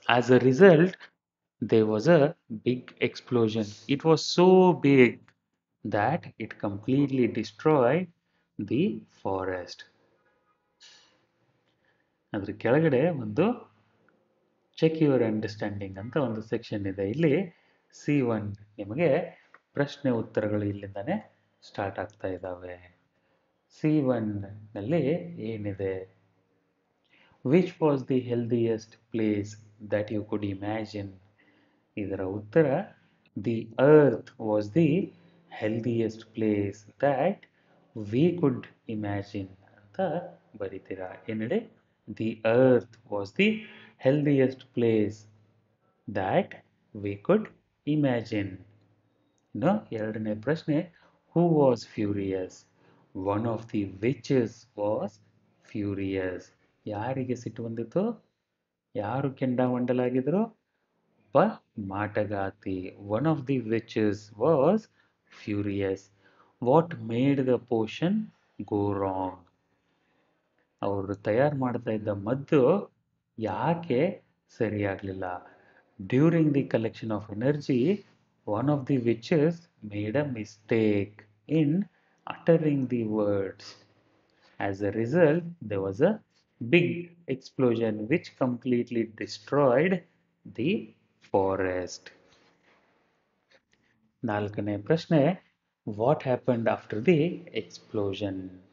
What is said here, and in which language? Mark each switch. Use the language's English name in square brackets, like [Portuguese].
[English] As a result, there was a big explosion. It was so big that it completely destroyed the forest. [Kannada] ಅದ್ರ ಕೆಳಗಡೆ ಒಂದು check your understanding ಅಂತ ಒಂದು section ಇದೆ. ಇಲ್ಲಿ C1 ನಿಮಗೆ ಪ್ರಶ್ನೆ ಉತ್ತರಗಳು ಇಲ್ಲಿಂದಾನೇ ಸ್ಟಾರ್ಟ್ ಆಗ್ತಾ ಇದ್ದಾವೆ. C1ನಲ್ಲಿ ಏನಿದೆ? [English] Which was the healthiest place that you could imagine? [Kannada] ಇದರ ಉತ್ತರ, [English] the earth was the healthiest place that we could imagine [Kannada] ಅಂತ ಬರೀತೀರಾ. ಏನಿದೆ? [English] The earth was the healthiest place that we could imagine. [Kannada] ಇನ್ನು ಎರಡನೇ ಪ್ರಶ್ನೆ, [English] who was furious? One of the witches was furious. [Kannada] ಯಾರಿಗೆ ಸಿಟ್ಟು ಬಂದಿತ್ತು? ಯಾರು ಕೆಂಡಾಮಂಡಲಾಗಿದ್ರು? ಒಬ್ಬ ಮಾಟಗಾತಿ, [English] One of the witches was furious. What made the potion go wrong? [Kannada] ಅವರು ತಯಾರು ಮಾಡ್ತಾ ಇದ್ದ ಮದ್ದು ಯಾಕೆ ಸರಿಯಾಗಲಿಲ್ಲ? [English] During the collection of energy, one of the witches made a mistake in uttering the words. As a result there was a big explosion which completely destroyed the forest. [Kannada] ನಾಲ್ಕನೇ ಪ್ರಶ್ನೆ, [English] what happened after the explosion?